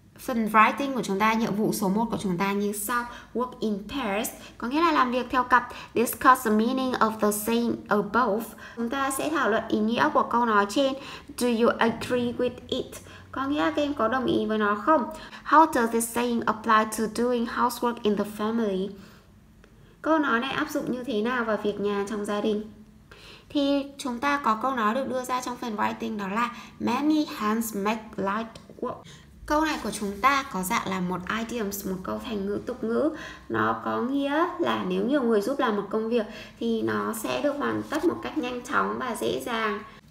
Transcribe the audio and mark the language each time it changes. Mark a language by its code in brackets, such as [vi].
[vi] Phần writing của chúng ta, nhiệm vụ số 1 của chúng ta như sau: [en] work in pairs, [vi] có nghĩa là làm việc theo cặp. [en] Discuss the meaning of the saying above. [vi] Chúng ta sẽ thảo luận ý nghĩa của câu nói trên. [en] Do you agree with it? [vi] Có nghĩa các em có đồng ý với nó không? [en] How does this saying apply to doing housework in the family? [vi] Câu nói này áp dụng như thế nào vào việc nhà trong gia đình? Thì chúng ta có câu nói được đưa ra trong phần writing, đó là [en] many hands make light work. [vi] Câu này của chúng ta có dạng là một idioms, một câu thành ngữ tục ngữ. Nó có nghĩa là nếu nhiều người giúp làm một công việc thì nó sẽ được hoàn tất một cách nhanh chóng và dễ dàng.